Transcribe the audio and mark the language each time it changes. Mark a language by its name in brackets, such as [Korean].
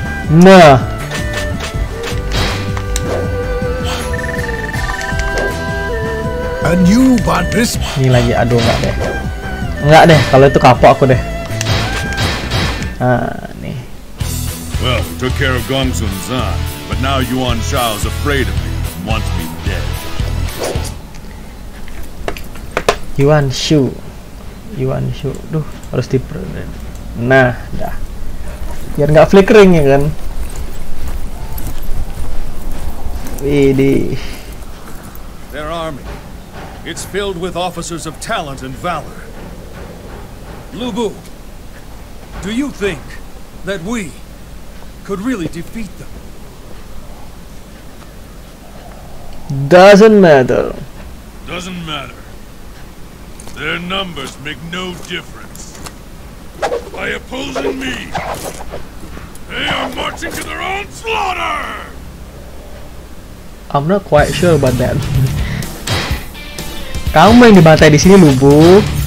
[English] Nah. And you want this? [Indonesian] Ini lagi aduh enggak deh. Enggak deh, kalau itu kapok aku deh. Ah, nih. [English] Well, took care of Gong Sun Zan, but now Yuan Shao's afraid of me and wants me dead. [Indonesian] Yuan Shu. Yuan Shu. Duh, harus diperin. Nah, dah. Biar enggak flickering ya kan. [English] Their army, it's filled with officers of talent and valor. Lu Bu, do you think that we could really defeat them? Doesn't matter. Doesn't matter. Their numbers make no difference. By opposing me, they are marching to their own slaughter! I'm not quite sure about that. [Indonesian] Kamu yang dibantai di sini, Lubu.